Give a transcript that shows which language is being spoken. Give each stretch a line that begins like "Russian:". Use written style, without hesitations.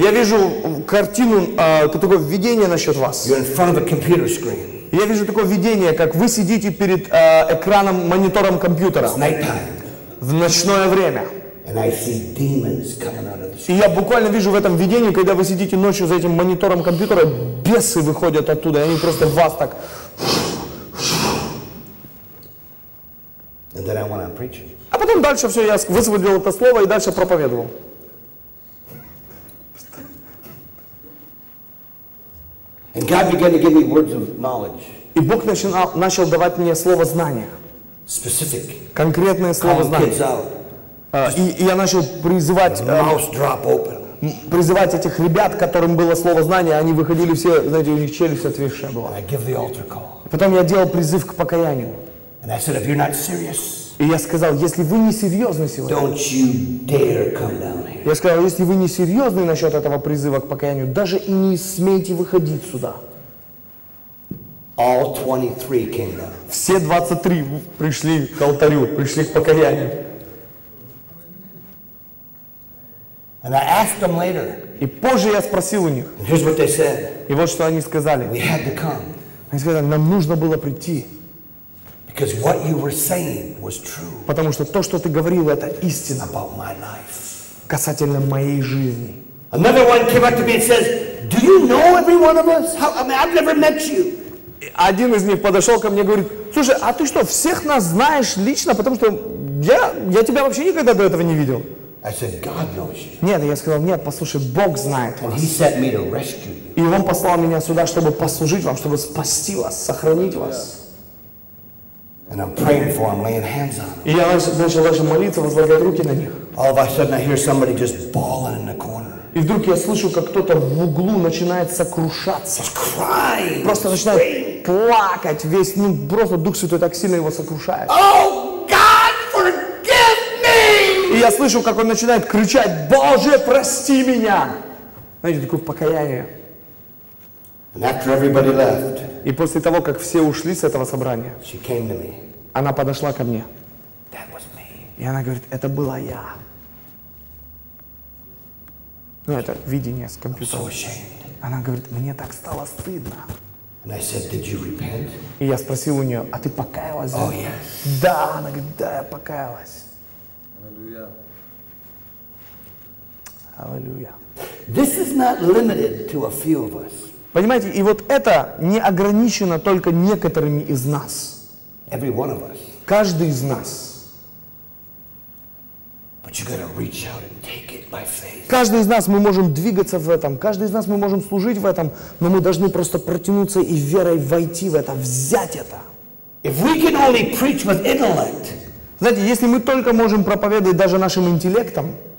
Russian: Я вижу картину, такое видение насчет вас.
English: You're in front of a computer screen.
Russian: Я вижу такое видение, как вы сидите перед экраном, монитором компьютера.
English: It's nighttime.
Russian: В ночное время.
English: And I see demons coming out of the screen.
Russian: И я буквально вижу в этом видении, когда вы сидите ночью за этим монитором компьютера, бесы выходят оттуда, и они просто вас так...
English: And then I went on preaching.
Russian: А потом дальше все, я высвободил это слово и дальше проповедовал.
English: And God began to give me words of knowledge.
Russian: И Бог начал давать мне слово знания.
English: Specific.
Russian: Конкретное слово знание. И я начал призывать этих ребят, которым было слово знание, они выходили все, знаете, у них челюсть отвисшая была.
English: I give the altar call.
Russian: Потом я делал призыв к покаянию.
English: And I said, if you're not serious,
Russian: и я сказал, если вы не серьезны сегодня,
English: don't you dare come down here.
Russian: Я сказал, если вы не серьезны насчет этого призыва к покаянию, даже и не смейте выходить сюда.
English: All 23 came down.
Russian: Все 23 пришли к алтарю, пришли к покаянию.
English: And I asked them later.
Russian: И позже я спросил у них.
English: And here's what they said.
Russian: И вот что они сказали.
English: We had to come.
Russian: Они сказали, нам нужно было прийти.
English: Because what you were saying was true.
Russian: Потому что то, что ты говорил, это истина.
English: About my life.
Russian: Касательно моей жизни.
English: Another one came up to me and says, do you know every one of us? I've never met you.
Russian: Один из них подошел ко мне и говорит, слушай, а ты что, всех нас знаешь лично, потому что я тебя вообще никогда до этого не видел.
English: I said, God knows you.
Russian: Нет, я сказал, нет, послушай, Бог знает вас.
English: And he sent me to rescue you.
Russian: И Он послал меня сюда, чтобы послужить вам, чтобы спасти вас, сохранить вас.
English: And I'm praying for him, laying hands on him.
Russian: И я начал даже молиться, возлагать руки на них.
English: All of a sudden I hear somebody just bawling in the corner.
Russian: И вдруг я слышу, как кто-то в углу начинает сокрушаться.
English: Crying,
Russian: просто начинает плакать весь, ну, просто Дух Святой так сильно его сокрушает.
English: Oh, God, forgive me!
Russian: И я слышу, как он начинает кричать, Боже, прости меня! знаете, такое покаяние.
English: And after everybody left,
Russian: и после того, как все ушли с этого собрания,
English: she came to me.
Russian: Она подошла ко мне.
English: That was me.
Russian: И она говорит, это была я. Ну, это видение с компьютера.
English: I'm so ashamed.
Russian: Она говорит, мне так стало стыдно.
English: And I said, did you repent?
Russian: И я спросил у нее, а ты покаялась?
English: Oh, yes.
Russian: Да, она говорит, да, я покаялась. Аллилуйя. Аллилуйя.
English: This is not limited to a few of us.
Russian: Понимаете, и вот это не ограничено только некоторыми из нас.
English: Every one of us.
Russian: Каждый из нас.
English: But you gotta reach out and take it by faith.
Russian: Каждый из нас, мы можем двигаться в этом, каждый из нас, мы можем служить в этом, но мы должны просто протянуться и верой войти в это, взять это.
English: If we can only preach with intellect,
Russian: знаете, если мы только можем проповедовать даже нашим интеллектом,